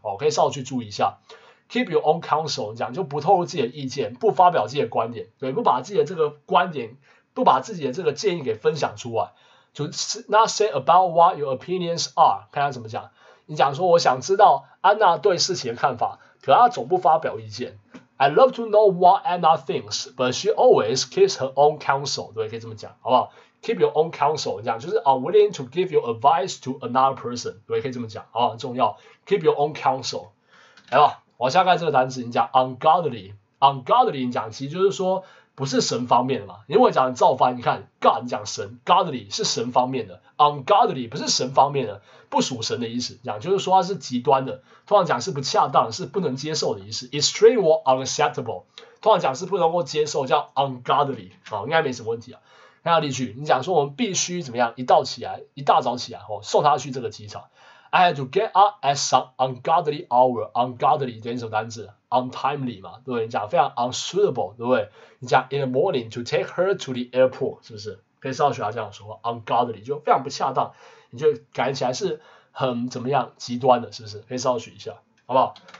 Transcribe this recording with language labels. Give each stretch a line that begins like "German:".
Chinese: 哦，可以稍去注意一下。
English: Keep your own counsel，
Chinese: 讲就不透露自己的意见，不发表自己的观点，对，不把自己的这个观点，不把自己的这个建议给分享出来。
English: To not say about what your opinions are，
Chinese: 看他怎么讲。你讲说我想知道安娜对事情的看法。可他总不发表意见。
English: I love to know what Anna thinks, but she always keeps her own counsel.
Chinese: 对，可以这么讲，好不好
English: ？Keep your own counsel， 这样就是 unwilling to give your advice to another person.
Chinese: 对，可以这么讲，好不好？很重要。
English: Keep your own counsel。
Chinese: 来吧，往下看这个单词，你讲 ungodly。 ungodly， 你讲其实就是说不是神方面的嘛。因为讲造反，你看 God， 你讲神 ，godly 是神方面的 ，ungodly 不是神方面的。不属神的意思，讲就是说它是极端的，通常讲是不恰当，是不能接受的意思。
English: Extreme or unacceptable，
Chinese: 通常讲是不能够接受，叫 ungodly 啊，应该没什么问题啊。看下例句，你讲说我们必须怎么样，一到起来，一大早起来哦，送他去这个机场。
English: I had to get up at some ungodly hour. Ungodly
Chinese: 等于什么单字
English: ？Untimely 嘛，对不对？你讲非常 unsuitable， 对不对？你讲 in the morning to take her to the airport，
Chinese: 是不是？可以稍微学下这样说 ，ungodly 就非常不恰当。你就感觉起来是很怎么样极端的，是不是？可以稍微学一下，好不好？